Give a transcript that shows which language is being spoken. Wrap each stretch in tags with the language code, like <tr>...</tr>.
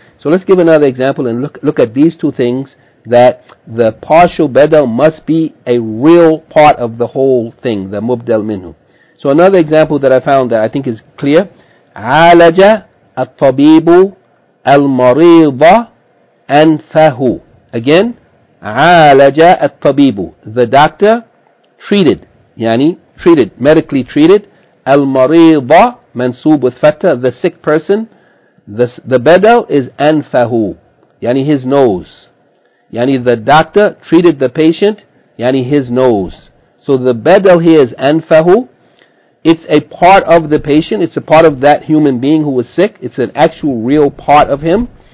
<en>So let's give another example and look at these two things, that the partial badal must be a real part of the whole thing, the mubdal minhu. So another example that I found that I think is clear.</en> <ar>عالج الطبيب المريض أنفه. Again, عالج الطبيب.</ar> <en>The doctor treated, يعني treated, medically treated.</en> <ar>المريض منصوب with فتح.</ar> <en>The sick person. The بدل is أنفه. يعني his nose. يعني the doctor treated the patient. يعني his nose. So the بدل here is أنفه. It's a part of the patient. It's a part of that human being who was sick. It's an actual real part of him.</en>